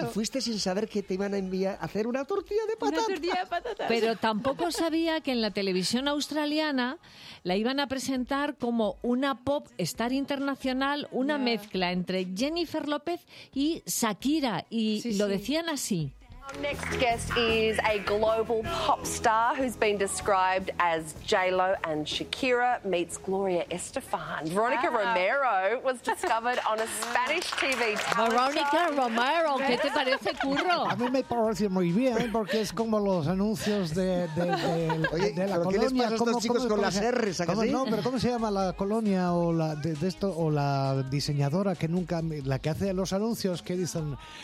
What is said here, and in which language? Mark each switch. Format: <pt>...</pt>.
<es>Y fuiste sin saber que te iban a enviar a hacer una tortilla de patatas. Una tortilla de patatas. Pero tampoco sabía que en la televisión australiana la iban a presentar como una pop star internacional, una mezcla entre Jennifer López y Shakira. Y sí, lo decían así.</es> <en>Next guest is a global pop star who's been described as J-Lo and Shakira meets Gloria Estefan. Veronica Romero was discovered on a Spanish TV talent show.</en> <es>Veronica Romero, ¿qué te parece, Curro? A mí me parece muy bien porque es como los anuncios de la colonia. ¿Qué les pasa a estos chicos con las R's? No, pero ¿cómo se llama la colonia o la de esto o la diseñadora que nunca, la que hace los anuncios que dicen...</es>